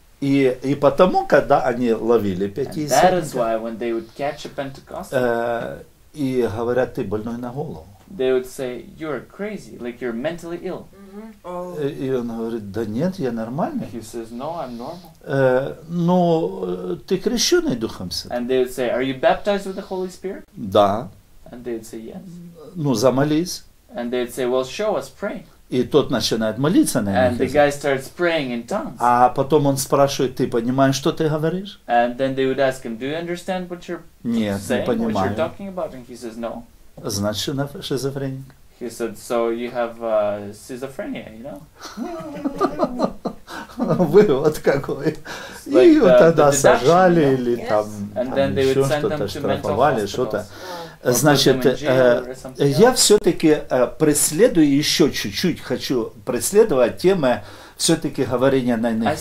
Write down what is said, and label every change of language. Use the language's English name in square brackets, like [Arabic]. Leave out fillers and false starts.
[Russian] И потому, когда они ловили пятидесятника, и говорят, ты больной на голову. [English] They would say, you're crazy, like you're mentally ill. [Russian] И он говорит, да нет, я нормальный. [English] He says, no, I'm normal. [Russian] Но ты крещенный Духом Святым. [English] And they would say, are you baptized with the Holy Spirit? [Russian] Да. [English] And they would say, yes. [Russian] Ну, замолись. [English] And they would say, well, show us, pray. [Russian] И тот начинает молиться на языке. [English] And the guy starts praying in tongues. [Russian] А потом он спрашивает, ты понимаешь, что ты говоришь? [English] And then they would ask him, do you understand what you're [Russian] нет, [English] saying, [Russian] не понимаю. [English] What you're talking about? And he says, no. [Russian] Значит, шизофреник. [English] He said, so you have schizophrenia, you know? [Russian] Вывод какой. И его тогда сажали или там что-то штрафовали, что-то. Значит, я все-таки преследую еще чуть-чуть, хочу преследовать темы все-таки говорения на иных